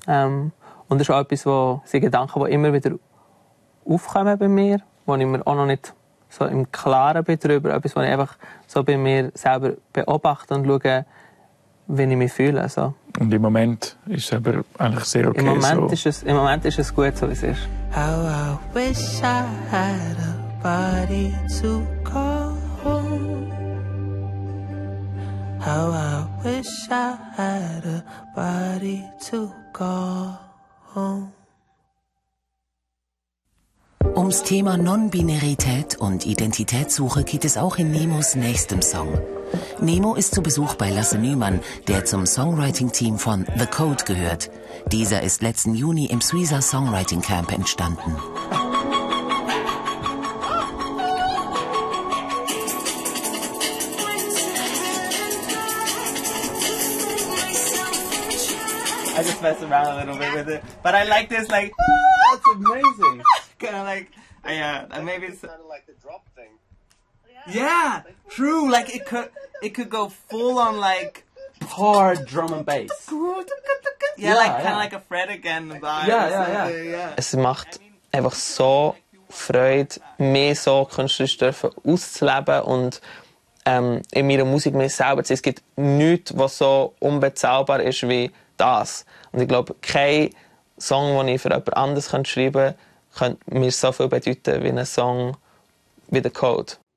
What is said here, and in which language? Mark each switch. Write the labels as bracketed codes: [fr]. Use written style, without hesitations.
[de] Und das ist auch etwas, sind Gedanken, die immer wieder aufkommen bei mir, wo ich mir auch noch nicht so im Klaren bin darüber. Etwas, was ich einfach so bei mir selber beobachte und schaue, wie ich mich fühle. Also. Und im Moment ist es aber eigentlich sehr okay. Im Moment ist es gut, so wie es ist. [en] How I wish I had a body to call home. How I wish I had a body to call home. [de] Ums Thema Non-Binarität und Identitätssuche geht es auch in Nemos nächstem Song. Nemo ist zu Besuch bei Lasse Nymann, der zum Songwriting-Team von The Code gehört. Dieser ist letzten Juni im Suiza Songwriting Camp entstanden. [en] I just mess around a little bit with it. But I like this, like, that's amazing. Kind of like, maybe it's kind of like the drop thing. Yeah, true. Like it could go full on like hard drum and bass. Yeah, like kind of like a Fred again vibe. Yeah. [de] Es macht einfach so Freude, mehr so künstlerisch dürfen auszuleben und in meiner Musik mir selber zu sein. Es gibt nichts, was so unbezahlbar ist wie das. Und ich glaube, kein Song, den ich für jemand anderes schreiben könnte, könnte mir so viel bedeuten wie ein Song wie The Code.